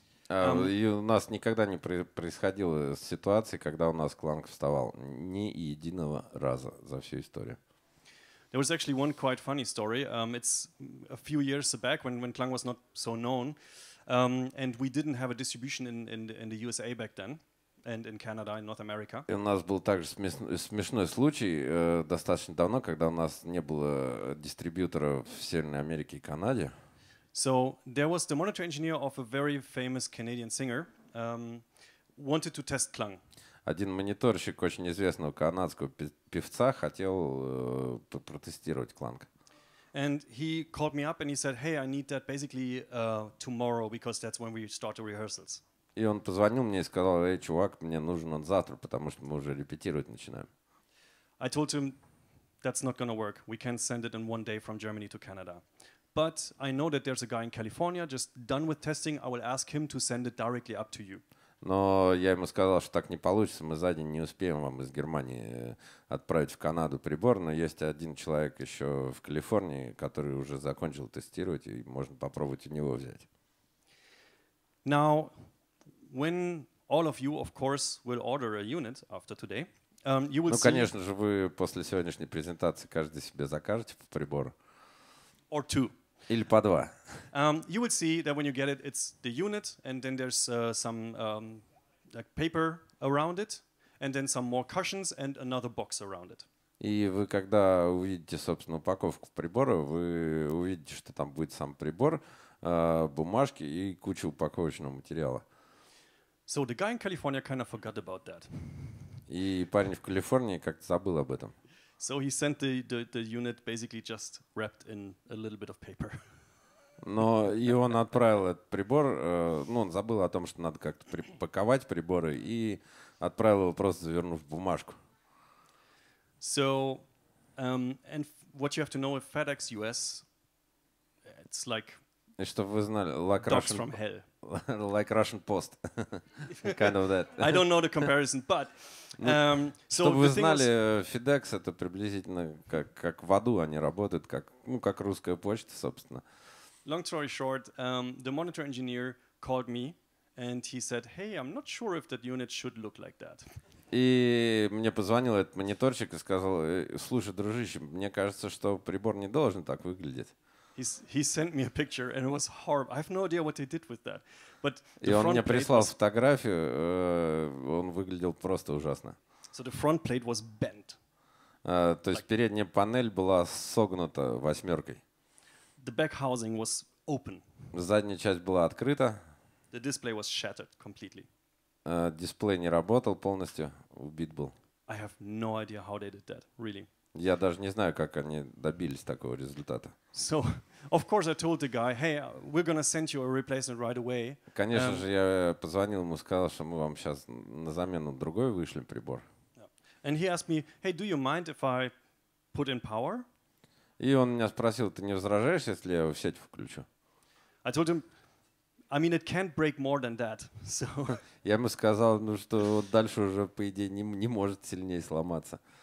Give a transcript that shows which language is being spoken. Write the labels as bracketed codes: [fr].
[ru] И у нас никогда не происходило ситуации, когда у нас кланг вставал ни единого раза за всю историю. [en] There was actually one quite funny story. It's a few years back when Klang was not so known, and we didn't have a distribution in the USA back then, and in Canada, in North America. [ru] И у нас был также смешной случай достаточно давно, когда у нас не было дистрибьютора в Северной Америке и Канаде. [en] So there was the monitor engineer of a very famous Canadian singer wanted to test Klang. [ru] один мониторщик очень известного канадского певца хотел протестировать Clang. [en] And he called me up and he said, hey, I need that basically tomorrow because that's when we start the rehearsals. [ru] И он позвонил мне и сказал, эй, чувак, мне нужен он завтра, потому что мы уже репетировать начинаем. [en] I told him, that's not going to work. We can't send it in one day from Germany to Canada. But I know that there's a guy in California just done with testing. I will ask him to send it directly up to you. [ru] Но я ему сказал, что так не получится. Мы за день не успеем вам из Германии отправить в Канаду прибор. Но есть один человек еще в Калифорнии, который уже закончил тестировать, и можно попробовать у него взять. [en] Now, when all of you, of course, will order a unit after today, you will see... [ru] Ну, конечно же, вы после сегодняшней презентации каждый себе закажете по прибору. [en] Or two. [ru] Или по два. [en] You will see that when you get it, it's the unit, and then there's some like paper around it, and then some more cushions and another box around it. [ru] И вы когда увидите, собственно, упаковку прибора, вы увидите, что там будет сам прибор, бумажки и куча упаковочного материала. [en] So the guy in California kind of forgot about that. [ru] И парень в Калифорнии как-то забыл об этом. [en] So he sent the unit basically just wrapped in a little bit of paper. [ru] Но и он отправил этот прибор, ну, он забыл о том, что надо как-то припаковать приборы, и отправил его просто завернув в бумажку. [en] So, and what you have to know, FedEx US, it's like... [ru] И чтобы вы знали, [en] like Russian, from hell. Like Russian Post, kind of that. I don't know the comparison, but... so [ru] чтобы [en] the [ru] вы знали, FedEx — это приблизительно как в аду они работают, как, ну, как русская почта, собственно. [en] Long story short, the monitor engineer called me, and he said, hey, I'm not sure if that unit should look like that. [ru] И мне позвонил этот мониторщик и сказал, слушай, дружище, мне кажется, что прибор не должен так выглядеть. [en] He sent me a picture and it was horrible. I have no idea what they did with that. But [ru] и он мне прислал фотографию, он выглядел просто ужасно. [en] So the front plate was bent. [ru] То есть передняя панель была согнута восьмеркой. [en] The back housing was open. [ru] Задняя часть была открыта. [en] The display was shattered completely. [ru] Дисплей не работал полностью, убит был. [en] I have no idea how they did that, really. [ru] Я даже не знаю, как они добились такого результата. [en] So, of course, I told the guy, hey, we're gonna send you a replacement right away. [ru] Конечно же, я позвонил ему, сказал, что мы вам сейчас на замену другой вышлем прибор. [en] And he asked me, hey, do you mind if I put in power? [ru] И он меня спросил, ты не возражаешь, если я его в сеть включу? [en] I told him, I mean, it can't break more than that. So. [ru] Я ему сказал, ну что дальше уже по идее не может сильнее сломаться.